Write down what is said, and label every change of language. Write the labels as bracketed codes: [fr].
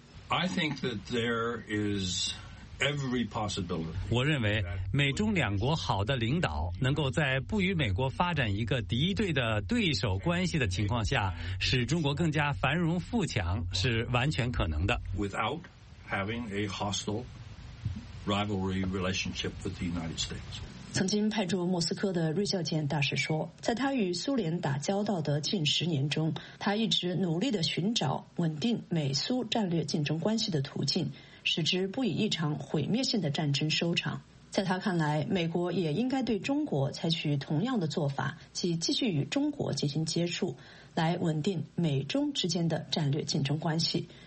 [en] I think that there is every possibility. [zh] 我认为美中两国好的领导能够在不与美国发展一个敌对的对手关系的情况下使中国更加繁荣富强是完全可能的。 [en] Without having a hostile rivalry relationship with the United States. [zh] 曾经派驻莫斯科的芮孝俭大使说，在他与苏联打交道的近10年中，他一直努力地寻找稳定美苏战略竞争关系的途径，使之不以一场毁灭性的战争收场。在他看来，美国也应该对中国采取同样的做法，即继续与中国进行接触，来稳定美中之间的战略竞争关系。